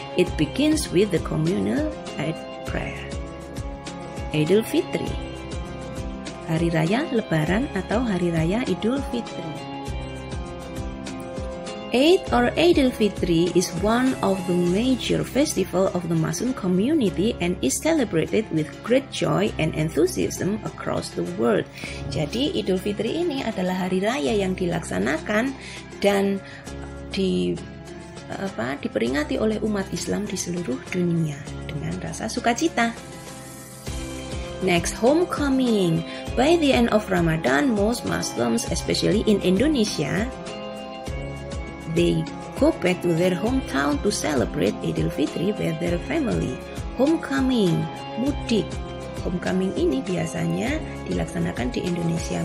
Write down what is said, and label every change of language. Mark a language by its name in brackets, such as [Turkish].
[English] It begins with the communal Eid prayer. [Indonesian] Idul Fitri, Hari Raya Lebaran atau Hari Raya Idul Fitri. [English] Eid or Idul Fitri is one of the major festival of the Muslim community and is celebrated with great joy and enthusiasm across the world. [Indonesian] Jadi Idul Fitri ini adalah hari raya yang dilaksanakan dan diperingati oleh umat Islam di seluruh dunia dengan rasa sukacita. [English] Next, homecoming. By the end of Ramadan, most Muslims, especially in Indonesia, they go back to their hometown to celebrate Idul Fitri with their family. [Indonesian] Homecoming, mudik. Homecoming ini biasanya dilaksanakan di Indonesia.